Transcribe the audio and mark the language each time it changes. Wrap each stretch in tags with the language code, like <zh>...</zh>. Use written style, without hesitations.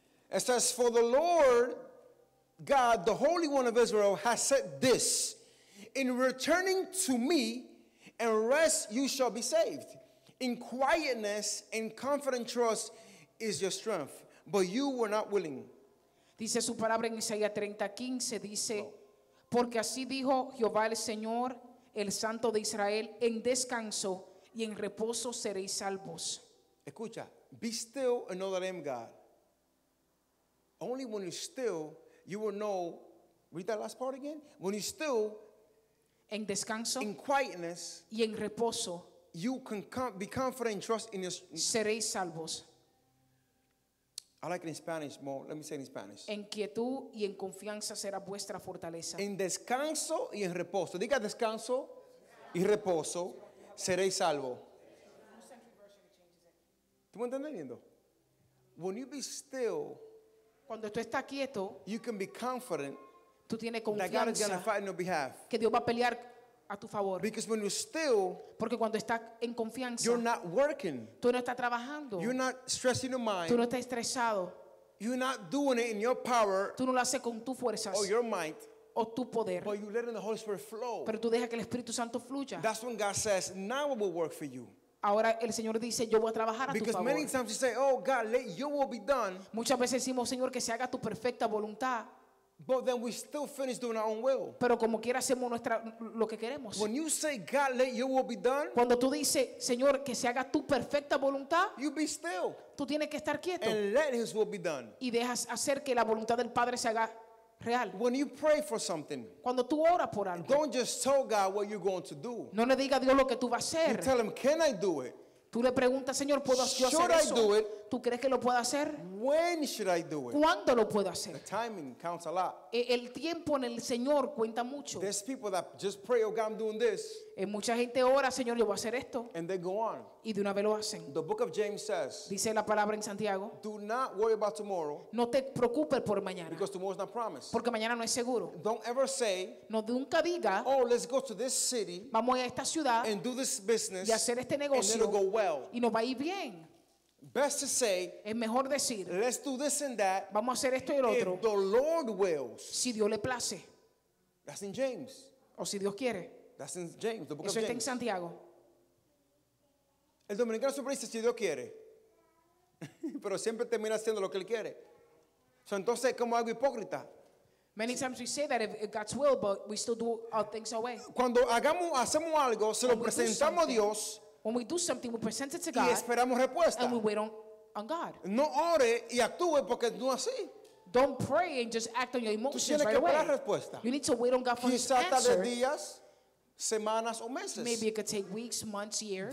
<en>It says, "For the Lord God, the Holy One of Israel, has said this: In returning to me and rest, you shall be saved. In quietness and confident trust is your strength, but you were not willing."</en> <es>Dice su palabra en Isaías 30:15, dice, porque así dijo Jehová el Señor, el Santo de Israel, en descanso y en reposo seréis salvos. Escucha,</es> <en>be still and know that I am God. Only when you're still, you will know, read that last part again, when you're still,</en> <es>en descanso,</es> <en>in quietness,</en> <es>y en reposo,</es> <en>you can be confident and trust in your,</en> <es>seréis salvos.</es> <en>I like it in Spanish more. Let me say it in Spanish.</en> <es>En quietud y en confianza será vuestra fortaleza. En descanso y en reposo. Diga descanso y reposo. Seréis salvo. ¿Tú me estás entendiendo?</es> <en>When you be still,</en> <es>cuando tú estás quieto,</es> <en>you can be confident.</en> <es>Tú tienes confianza.</es> <en>That God is going to fight on your behalf.</en> <es>Que Dios va a pelear a tu favor.</es> <en>Because when you're still,</en> <es>porque cuando estás en confianza,</es> <en>you're not working.</en> <es>Tú no estás trabajando.</es> <en>You're not stressing your mind.</en> <es>Tú no estás estresado.</es> <en>You're not doing it in your power.</en> <es>Tú no lo haces con tus fuerzas.</es> <en>Or your might.</en> <es>O tu poder.</es> <en>But you're letting the Holy Spirit flow.</en> <es>Pero tú dejas que el Espíritu Santo fluya.</es> <en>That's when God says, "Now it will work for you."</en> <es>Ahora el Señor dice, "Yo voy a trabajar a</es> <en>because</en> <es>tu favor."</es> <en>Because many times you say, "Oh God, let Your will be done."</en> <es>Muchas veces decimos, "Señor, que se haga tu perfecta voluntad."</es> <en>But then we still finish doing our own will.</en> <es>Pero como quiera hacemos nuestra lo que queremos.</es> <en>When you say God, let your will be done.</en> <es>Cuando tú dices, Señor, que se haga tu perfecta voluntad.</es> <en>You be still.</en> <es>Tú tienes que estar quieto.</es> <en>And let His will be done.</en> <es>Y dejas hacer que la voluntad del Padre se haga real.</es> <en>When you pray for something.</en> <es>Cuando tú oras por algo.</es> <en>Don't just tell God what you're going to do.</en> <es>No le diga a Dios lo que tú vas a hacer.</es> <en>You tell Him, can I do it?</en> <es>Tú le preguntas, Señor, ¿puedo hacer eso?</es> <en>Should I do it?</en> <es>¿Tú crees que lo puedo hacer?</es> <en>When should I do it?</en> <es>¿Cuándo lo puedo hacer?</es> <en>The timing counts a lot.</en> <es>El tiempo en el Señor cuenta mucho.</es> <en>There's people that just pray, oh God, I'm doing this.</en> <es>Mucha gente ora, Señor, yo voy a hacer esto.</es> <en>And they go on.</en> <es>Y de una vez lo hacen.</es> <en>The book of James says,</en> <es>dice la palabra en Santiago,</es> <en>do not worry about tomorrow.</en> <es>No te preocupes por mañana.</es> <en>Because tomorrow is not promised.</en> <es>Porque mañana no es seguro.</es> <en>Don't ever say,</en> <es>no nunca diga,</es> <en>oh, let's go to this city.</en> <es>Vamos a esta ciudad.</es> <en>And do this business.</en> <es>Y hacer este negocio.</es> <en>And it'll go well.</en> <es>Y nos va a ir bien.</es> <en>Best to say,</en> <es>es mejor decir,</es> <en>let's do this and that.</en> <es>Vamos a hacer esto y el otro.</es> <en>If the Lord wills.</en> <es>Si Dios le place.</es> <en>That's in James.</en> <es>O si Dios quiere.</es> <en>That's in James, the book</en> <es>eso</es> <en>of James.</en> <es>Eso está en Santiago. El dominicano siempre dice si Dios quiere. Pero siempre termina haciendo lo que él quiere.</es> <en>So,</en> <es>entonces es como algo hipócrita.</es> <en>Many times we say that if God's will, but we still do our things our way.</en> <es>Cuando hacemos algo, se lo presentamos a Dios.</es> <en>When we do something, we present it to God.</en> <es>Y esperamos respuesta.</es> <en>And we wait on God.</en> <es>No ore y actúe porque no así.</es> <en>Don't pray and just act on your emotions</en> <es>tú tienes</es> <en>right away.</en> <es>Esperar respuesta.</es> <en>You need to wait on God for</en> <es>quizá</es> <en>his answer.</en> <es>Quizá tal días. Semanas o meses.</es> <en>Maybe it could take weeks, months, years.</en>